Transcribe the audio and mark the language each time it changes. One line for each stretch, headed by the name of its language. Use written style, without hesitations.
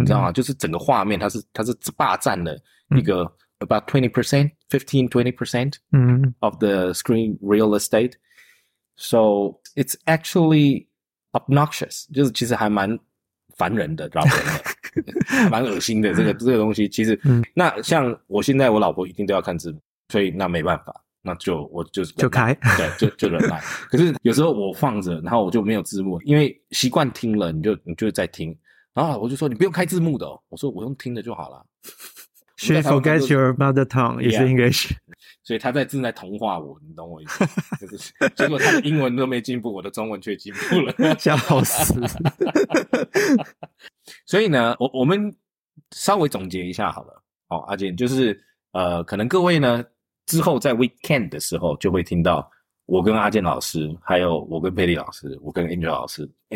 Chinese: 你知道吗？就是整个画面它是霸占了一个
English: about 20%， 15-20% of the screen real estate， so it's actually obnoxious，
Chinese: 就是其实还蛮烦人的，扰人的，蛮恶心的。这个东西，其实，嗯，那像我现在，我老婆一定都要看字幕，所以那没办法，那我就开，对，就忍耐。可是有时候我放着，然后我就没有字幕，因为习惯听了，你就在听，然后我就说你不用开字幕的，哦，我说我用听的就好了。
English: She forgets your mother tongue is English，yeah。
Chinese: 所以他在正在同化我，你懂我意思？就是结果他的英文都没进步，我的中文却进步了，笑死！所以呢，我们稍微总结一下好了。哦，阿健，就是可能各位呢之后在 weekend 的时候就会听到我跟阿健老师，还有我跟佩莉老师，我跟 Angel 老师。